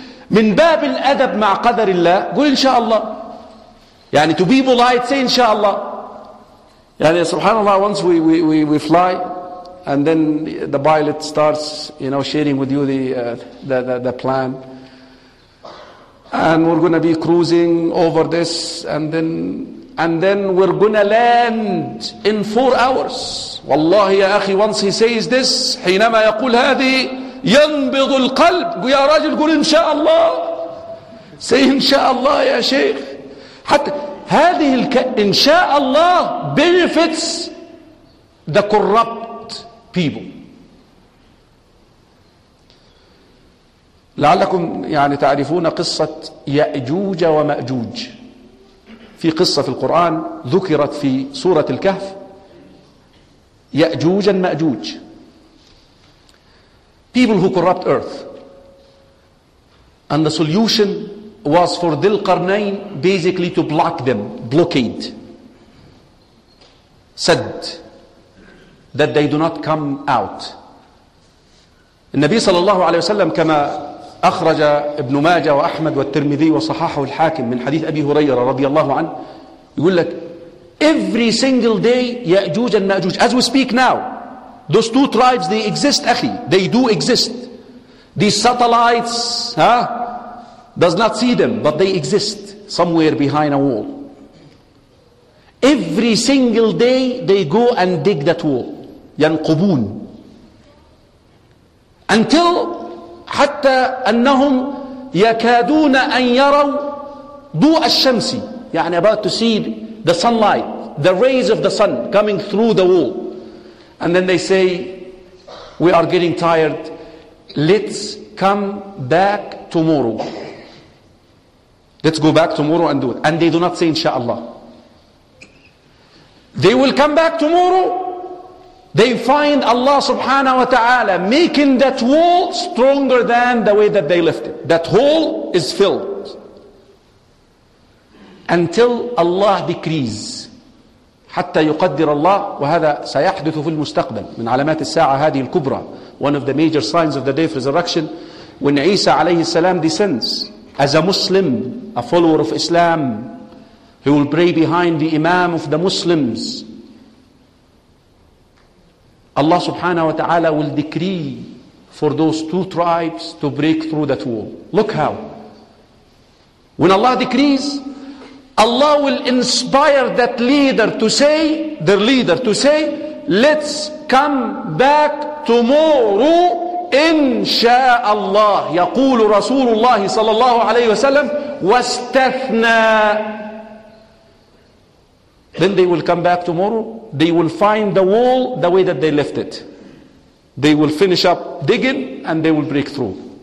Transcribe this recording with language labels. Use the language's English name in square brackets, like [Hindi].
[Arabic] من باب الأدب مع قدر الله, قل إن شاء الله. [English] يعني to be polite, say [Arabic] إن شاء الله. [English] Yani, subhanAllah, once we fly, and then the pilot starts, you know, sharing with you the plan. and we're going to be cruising over this, and then we're going to land in 4 hours. Wallahi ya akhi, once he says this, [Arabic] حينما يقول هذه ينبض القلب. يا راجل قول إن شاء الله. Say إن شاء الله يا شيخ. حتى هذه إن شاء الله [English] benefits the corrupt people. [Arabic] لعلكم يعني تعرفون قصة يأجوج ومأجوج. في قصة في القرآن ذكرت في سورة الكهف, يأجوج and مأجوج. [English] People who corrupt earth. And the solution was for Dhul Qarnayn basically to block them, blockade. Said that they do not come out. [Arabic] النبي صلى الله عليه وسلم كما أخرج ابن ماجة وأحمد والترمذي وصححه الحاكم من حديث أبي هريرة رضي الله عنه, يقول لك [English] every single day [Arabic] يأجوج and مأجوج. [English] As we speak now, those two tribes, they exist, أخي. They do exist. These satellites, huh? Does not see them, but they exist somewhere behind a wall. Every single day, they go and dig that wall. [Arabic] ينقبون. Until, حتى أنهم يكادون أن يروا ضوء الشمس. [English] يعني about to see the sunlight, the rays of the sun coming through the wall. And then they say, we are getting tired. Let's come back tomorrow. Let's go back tomorrow and do it. And they do not say, Insha'Allah. They will come back tomorrow. They find Allah subhanahu wa ta'ala making that wall stronger than the way that they left it. That hole is filled. Until Allah decrees. [Arabic] حتى يقدر الله, وهذا سيحدث في المستقبل من علامات الساعة هذه الكبرى. [English] One of the major signs of the day of resurrection, when Isa عليه السلام descends as a Muslim, a follower of Islam, he will pray behind the Imam of the Muslims. Allah subhanahu wa ta'ala will decree for those two tribes to break through that wall. Look how. When Allah decrees, Allah will inspire that leader to say, their leader to say, let's come back tomorrow, insha'Allah. [Arabic] يقول رسول الله صلى الله عليه وسلم واستثنى. [English] Then they will come back tomorrow. They will find the wall the way that they left it. They will finish up digging and they will break through.